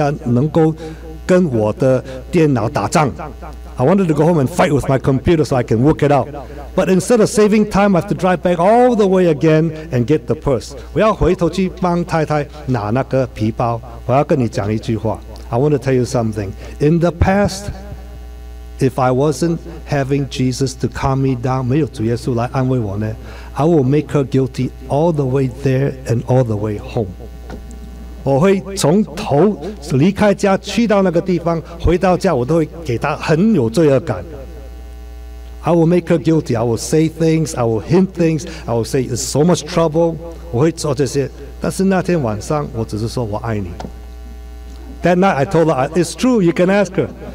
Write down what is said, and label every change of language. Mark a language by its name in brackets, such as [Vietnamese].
[Chinese] 我离开那个地方希望早一点到家能够跟我的电脑打仗。 [English] I wanted to go home and fight with my computer so I can work it out. But instead of saving time, I have to drive back all the way again and get the purse. [Chinese] 我要回头去帮太太拿那个皮包。我要跟你讲一句话。 [English] I want to tell you something. In the past, if I wasn't having Jesus to calm me down, [Chinese] 没有主耶稣来安慰我呢, [English] I will make her guilty all the way there and all the way home. [Chinese] 我会从头离开家去到那个地方，回到家我都会给她很有罪恶感。 [English] I will make her guilty. I will say things. I will hint things. I will say it's so much trouble. [Chinese] 我会做这些，但是那天晚上我只是说我爱你。 [English] That night, I told her, it's true, you can ask her.